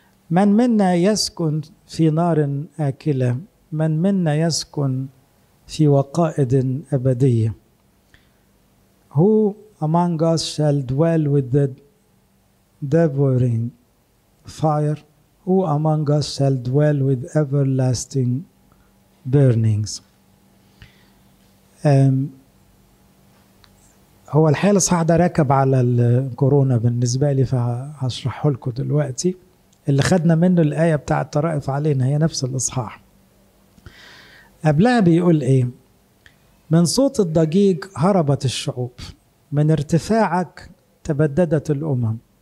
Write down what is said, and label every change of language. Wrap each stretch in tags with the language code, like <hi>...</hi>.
<ar>من منا يسكن في نار آكلة؟ من منا يسكن في وقائد أبدية؟</ar> <en>Who among us shall dwell with the devouring fire? Who among us shall dwell with everlasting burnings?</en> <ar>هو الحقيقة الإصحاح ده راكب على الكورونا بالنسبة لي، فهشرحه لكم دلوقتي. اللي خدنا منه الآية بتاع الطرائف علينا هي نفس الإصحاح. قبلها بيقول إيه؟ من صوت الضجيج هربت الشعوب، من ارتفاعك تبددت الأمم.</ar>